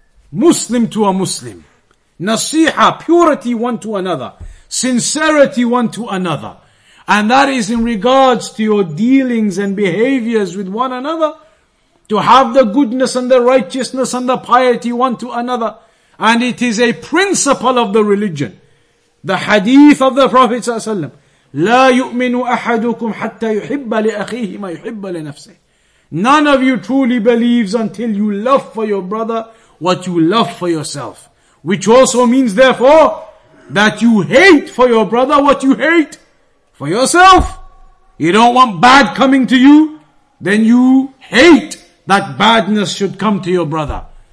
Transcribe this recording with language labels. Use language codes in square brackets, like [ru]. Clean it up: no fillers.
[en] Muslim to a Muslim. Nasiha, purity one to another. Sincerity one to another. And that is in regards to your dealings and behaviors with one another. To have the goodness and the righteousness and the piety one to another. And it is a principle of the religion. [ar] The hadith of the Prophet ﷺ, لا يؤمن أحدكم حتى يحب لأخيه ما يحب لنفسه. [en] None of you truly believes until you love for your brother what you love for yourself. Which also means therefore that you hate for your brother what you hate for yourself. You don't want bad coming to you, then you hate that badness should come to your brother.